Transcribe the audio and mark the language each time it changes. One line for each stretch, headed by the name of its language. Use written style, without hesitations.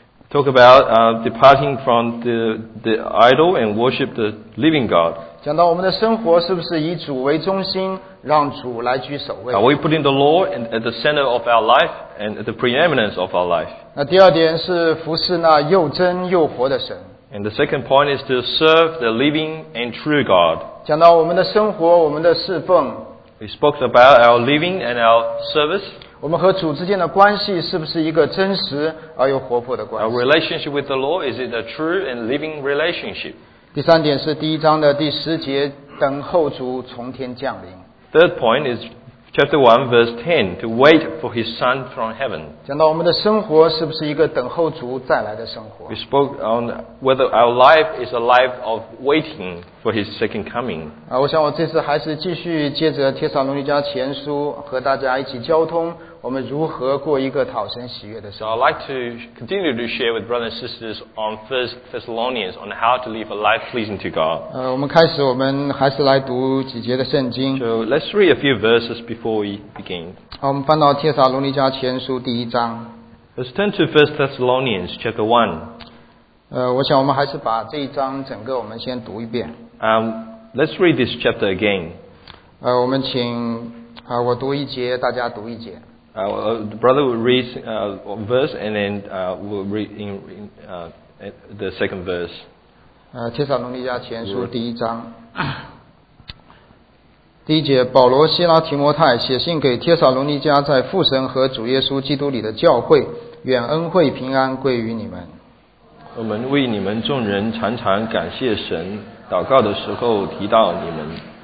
English: Talk about departing from the idol and worship the living God.
Chinese: 讲到我们的生活是不是以主为中心，让主来居首位。
English: Are we putting the Lord at the center of our life and at the preeminence of our life?
Chinese: 那第二点是服侍那又真又活的神。
English: And the second point is to serve the living and true God.
Chinese: 讲到我们的生活，我们的侍奉。
English: We spoke about our living and our service.
Chinese: 我们和主之间的关系是不是一个真实而又活泼的关系？
English: Our relationship with the Lord, is it a true and living relationship?
Chinese: 第三点是第一章的第十节，等候主从天降临。
English: Third point is chapter 1 verse 10, to wait for his son from heaven.
Chinese: 讲到我们的生活是不是一个等候主再来的生活。
English: We spoke on whether our life is a life of waiting for his second coming.
Chinese: 我想我这次还是继续接着帖撒罗尼迦前书和大家一起交通我们如何过一个讨神喜悦的生活。
English: So I'd like to continue to share with brothers and sisters on First Thessalonians on how to live a life pleasing to God.
Chinese: 我们开始，我们还是来读几节的圣经。
English: So let's read a few verses before we begin.
Chinese: 好，我们翻到帖撒罗尼迦前书第一章。
English: Let's turn to First Thessalonians chapter 1.
Chinese: 我想我们还是把这一章整个我们先读一遍。
English: Let's read this chapter again.
Chinese: 我们请我读一节，大家读一节。
English: The brother will read verse and then we'll read in the second verse.
Chinese: 帖撒罗尼迦前书第一章第一节，保罗、希拉、提摩太写信给帖撒罗尼迦在父神和主耶稣基督里的教会，愿恩惠平安归于你们。我们为你们众人常常感谢神，祷告的时候提到你们。